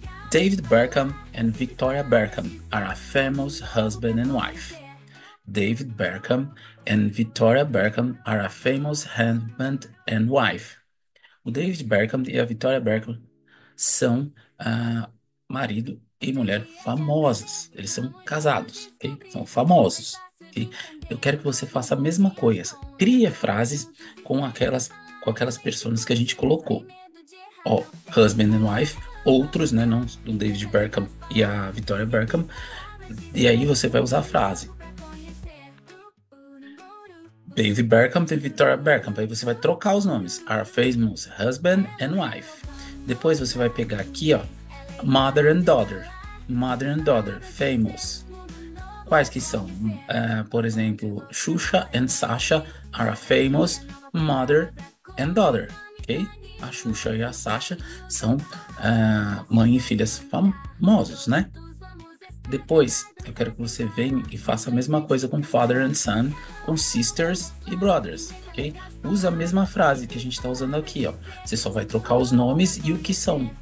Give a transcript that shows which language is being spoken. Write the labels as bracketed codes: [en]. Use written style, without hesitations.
[en] David Beckham and Victoria Beckham are a famous husband and wife. David Beckham and Victoria Beckham are a famous husband and wife. [pt] O David Beckham e a Victoria Beckham são marido e mulher famosas. Eles são casados, okay? São famosos. Okay? Eu quero que você faça a mesma coisa. Crie frases com aquelas pessoas que a gente colocou. Ó, husband and wife, outros, né? Não, do David Beckham e a Victoria Beckham. E aí você vai usar a frase. David Beckham e Victoria Beckham. Aí você vai trocar os nomes. [en] Our famous husband and wife. [pt] Depois você vai pegar aqui, ó. [en] Mother and daughter. Mother and daughter. [pt] Famous. Quais que são? Por exemplo, [en] Xuxa and Sasha are a famous mother and daughter. Ok? [pt] A Xuxa e a Sasha são mãe e filhas famosos, né? Depois, eu quero que você venha e faça a mesma coisa com father and son, com sisters e brothers, ok? Usa a mesma frase que a gente está usando aqui, ó. Você só vai trocar os nomes e o que são.